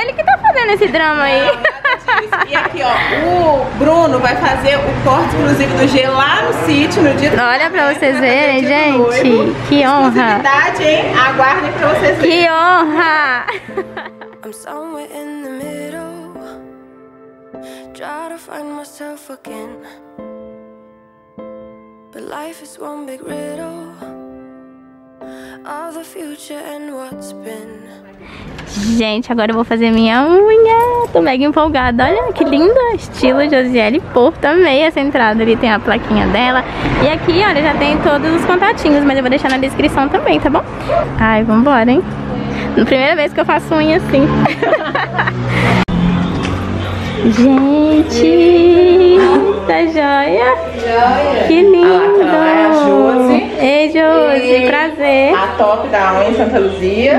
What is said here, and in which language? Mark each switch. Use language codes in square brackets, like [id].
[pt] ele que tá fazendo esse drama. Não, aí. Nada disso. E aqui, ó, o Bruno vai fazer o corte exclusivo do G lá no sítio, no dia do... Olha pra vocês verem, gente. Que honra. Exclusividade, hein? Aguardem pra vocês verem. Que honra. [en] I'm somewhere in the middle. Try to find myself again. But life is one big riddle. All the future and what's been. [pt] Gente, agora eu vou fazer minha unha. Tô mega empolgada. Olha que linda. Estilo Josiele Porto. Amei essa entrada. Ali tem a plaquinha dela. E aqui, olha, já tem todos os contatinhos. Mas eu vou deixar na descrição também, tá bom? Ai, vambora, hein? Primeira vez que eu faço unha assim. Gente, tá joia? Que lindo. Ei, Josi, prazer. A top da unha em Santa Luzia.